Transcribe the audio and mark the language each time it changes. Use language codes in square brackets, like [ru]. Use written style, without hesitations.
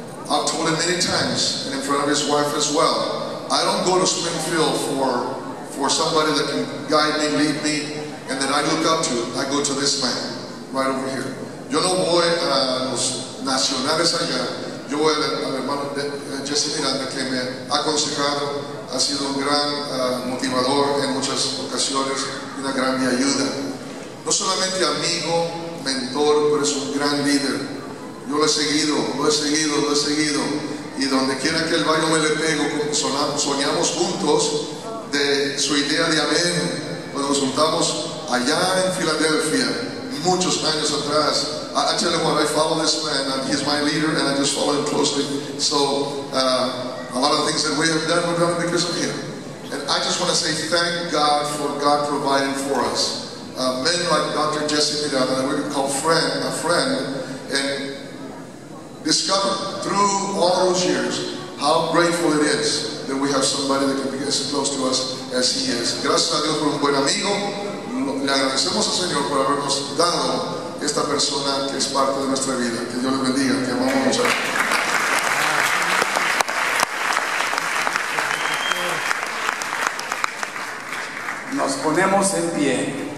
[en] I've told him many times, and in front of his wife as well, I don't go to Springfield for somebody that can guide me, lead me, and that I look up to. I go to this man right over here. [es] Yo no voy a los nacionales allá. Yo voy al hermano Jesse Miranda, que me ha aconsejado, ha sido un gran motivador en muchas ocasiones, una gran mi ayuda. No solamente amigo, mentor, pero es un gran líder. Yo lo he seguido, lo he seguido, lo he seguido. Y donde quiera que él vaya, me le pego. Soñamos juntos de su idea de amén. Cuando nos juntamos allá en Filadelfia, muchos años atrás. [en] I tell you what, I follow this man. He's my leader, and I just follow him closely. So a lot of things that we have done, we've done because of him. And I just want to say thank God for God providing for us. Men like Dr. Jesse Miranda, that we can call a friend, and discover through all those years how grateful it is that we have somebody that can be as close to us as he is. [es] Gracias a Dios por un buen amigo. Le agradecemos al Señor por habernos dado esta persona que es parte de nuestra vida. Que Dios le bendiga. Te amamos mucho. Nos ponemos en pie.